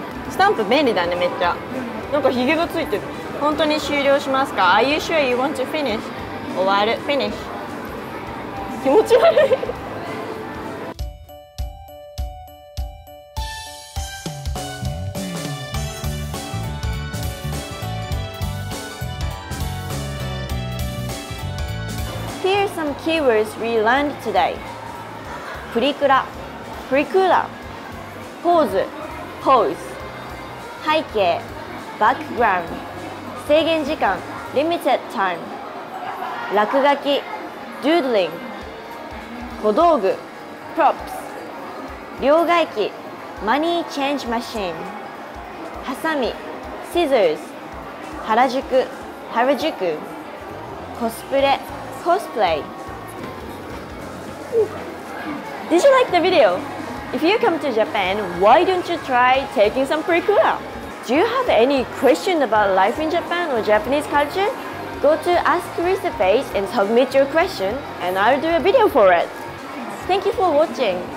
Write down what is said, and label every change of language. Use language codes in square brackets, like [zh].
[ja] スタンプ便利だね、めっちゃ。なんかヒゲがついてる。本当に終了しますか？ [en] Are you sure you want to finish? [ja] 終わる、finish。気持ち悪い。 [en] Here are some keywords we learned today. [ja] プリクラ、プリクラ、ポーズ、ポーズ、背景、バックグラウンド、制限時間、リミテッドタイム、落書き、ドゥードリング、小道具、プロップス、両替機、マニーチェンジマシン、ハサミ、シーザーズ、原宿、原宿、コスプレ、コスプレイ。 [en] Did you like the video? If you come to Japan, why don't you try taking some pre-cura? Do you have any question about life in Japan or Japanese culture? Go to Ask Teresa page and submit your question, and I'll do a video for it. Thank you for watching.